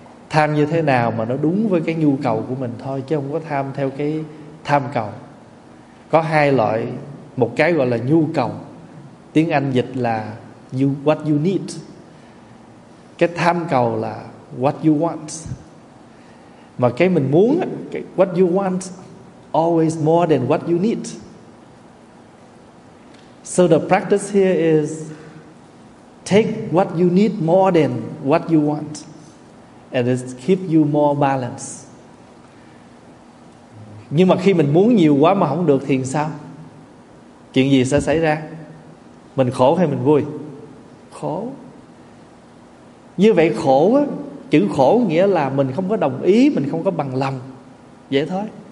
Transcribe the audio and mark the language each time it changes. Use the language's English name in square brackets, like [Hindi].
[Vietnamese] Tham như thế nào mà nó đúng với cái nhu cầu của mình thôi, chứ không có tham theo cái tham cầu. Có hai loại, một cái gọi là nhu cầu, tiếng Anh dịch là you, [English] what you need. [Vietnamese] Cái tham cầu là [English] what you want. [Vietnamese] Mà cái mình muốn, cái [English] what you want always more than what you need. So the practice here is take what you need more than what you want, and it keeps you more balanced. [Vietnamese] Nhưng mà khi mình muốn nhiều quá mà không được thì sao? Chuyện gì sẽ xảy ra? Mình khổ hay mình vui? Khổ. Như vậy khổ á, chữ khổ nghĩa là mình không có đồng ý, mình không có bằng lòng. Vậy thôi.